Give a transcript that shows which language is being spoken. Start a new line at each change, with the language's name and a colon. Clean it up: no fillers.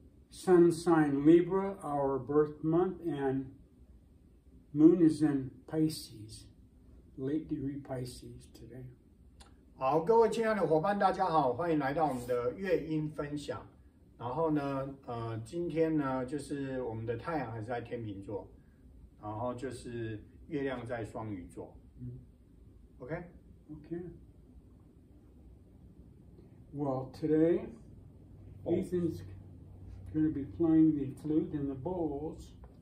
English: Sun sign Libra, our birth month, and moon is in Pisces, late degree Pisces today.
Chinese: 好，各位亲爱的伙伴，大家好，欢迎来到我们的月音分享。然后呢，今天呢，就是我们的太阳还是在天秤座，然后就是月亮在双鱼座。
English: OK. Well, today, Ethan's going to be playing the flute and the bowls.